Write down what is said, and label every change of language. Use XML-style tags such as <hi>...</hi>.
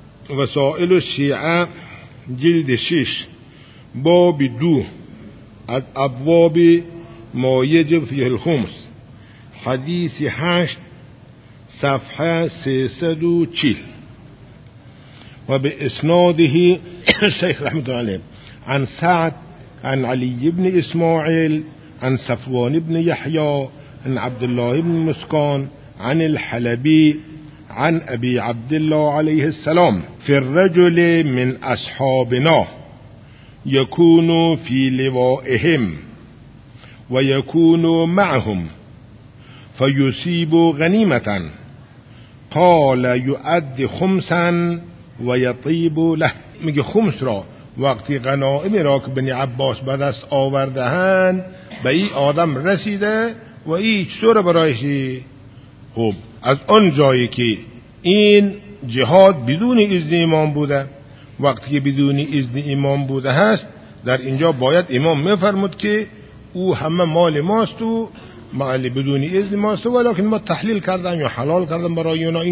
<fa>وسائل الشیعه جلد 6 باب 2 از ابواب ما یجب فیه الخمس، حدیث 8 صفحه 340.</fa> <ar>و به اسناده شیخ رحمت الله علیه عن سعد عن علی بن اسماعیل عن صفوان بن یحیی عن عبدالله بن مسکان عن الحلبی عن ابي عبد الله عليه السلام في الرجل من اصحابنا يكون في لوائهم ويكون معهم فيصيب غنيمه قال يؤدي خمسا ويطيب له.</ar> <fa>میگه خمس را وقتی غنایم را که بنی عباس به دست آوردهن به این آدم رسیده و این چطور برایش خوب از آن جایی که این جهاد بدون اذن امام بوده، وقتی که بدون اذن امام بوده هست، در اینجا باید امام میفرمود که او همه مال ماست و مال بدون اذن ماست، ولیکن ما تحلیل کردن یا حلال کردن برای اونا.</fa>